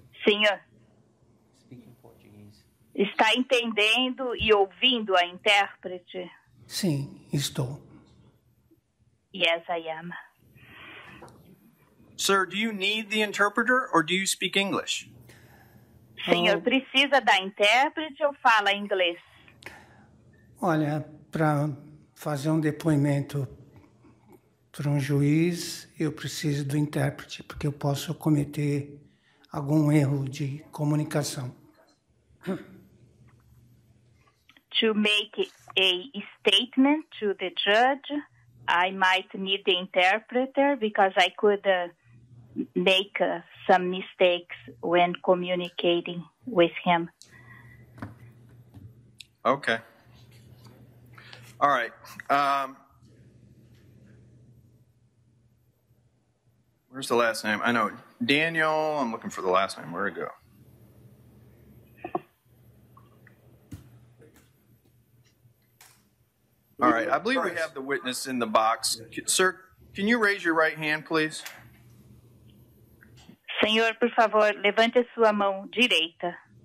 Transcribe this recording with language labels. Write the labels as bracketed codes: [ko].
[pt] Senhor. [en] Speaking Portuguese. [pt] Está entendendo e ouvindo a intérprete? Sim, estou. [en] Yes, I am. Sir, do you need the interpreter or do you speak English? [pt] Senhor, precisa da intérprete ou fala inglês? Olha, para fazer depoimento para juiz, eu preciso do intérprete, porque eu posso cometer algum erro de comunicação. [en] To make a statement to the judge, I might need the interpreter because I could... make some mistakes when communicating with him. Okay. All right. Where's the last name? I know Daniel. I'm looking for the last name. Where'd it go? All right. I believe we have the witness in the box. Sir, can you raise your right hand, please? [pt] Senhor, por favor, levante a sua mão direita.